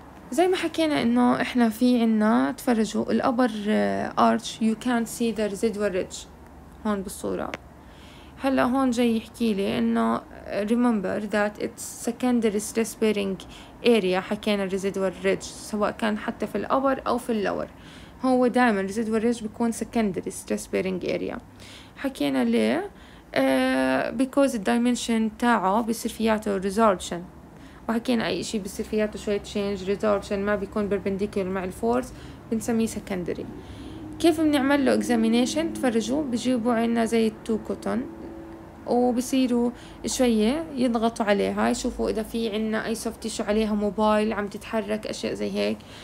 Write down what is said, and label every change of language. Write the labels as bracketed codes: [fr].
[ar] زي ما حكينا انه احنا في عنا تفرجوا الابر ارتش [en] you can't see the residual ridge [ar] هون بالصورة. هلا هون جاي يحكي لي انه [en] remember that it's secondary stress bearing area. [ar] حكينا residual ridge سواء كان حتى في ال upper أو في ال lower. هو دائما [en] residual ridge [ar] بيكون [en] secondary stress bearing area. [ar] حكينا ليه؟ [en] because the dimension [ar] تاعه بيصير فياته resorption. وحكينا أي شيء بيصير فياته شوية change resorption ما بيكون perpendicular مع ال force بنسميه secondary. كيف بنعمل له examination؟ تفرجوا بيجيبوا عنا زي two cotton وبصيروا شوية يضغطوا عليها يشوفوا إذا في عنا أي soft tissue عليها موبايل عم تتحرك أشياء زي هيك.